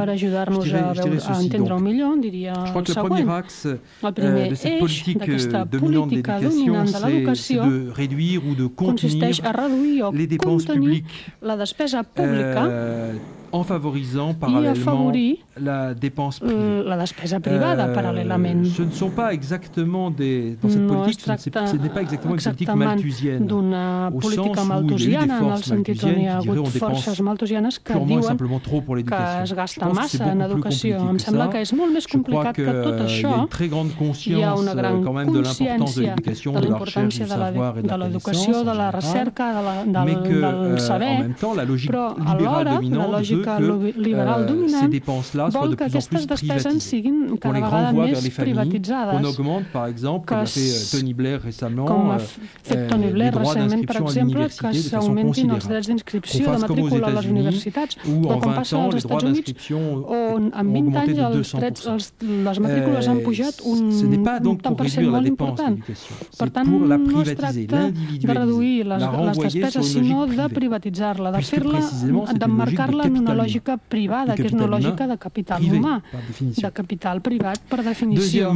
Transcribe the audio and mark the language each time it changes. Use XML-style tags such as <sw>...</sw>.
<ca>per ajudar-nos a entendre-ho millor, diria el següent. El primer eix d'aquesta política dominant de l'educació consisteix a reduir o contenir la despesa pública</ca> <fr>en favorisant parallèlement la dépense privée.</fr> <ca>La despesa privada, parallèlement.</ca> <fr>Ce ne sont pas exactement des... Dans cette politique, ce n'est pas exactement une politique malthusienne.</fr> <ca>D'una política malthusiana, en el sentit on hi ha hagut forces malthusianes que diuen que es gasta massa en educació. Em sembla que és molt més complicat que tot això. Hi ha una gran consciència de l'importància de l'educació, de la recerca, del saber, però alhora, la lògica liberal dominant vol que aquestes despeses siguin cada vegada més privatitzades.</ca> <fr>On augmente, par exemple, que fait Tony Blair récemment,</fr> <ca>com ha fet Tony Blair recentment, per exemple, que s'augmentin els drets d'inscripció de matrícula a les universitats, o com passa als Estats Units, on en 20 anys les matrícules han pujat un tant per cent molt important. Per tant, no es tracta de reduir les despeses, sinó de privatitzar-la, de fer-la, d'emmarcar-la en una lògica privada, que és una lògica de capital humà, de capital privat, per definició.</ca>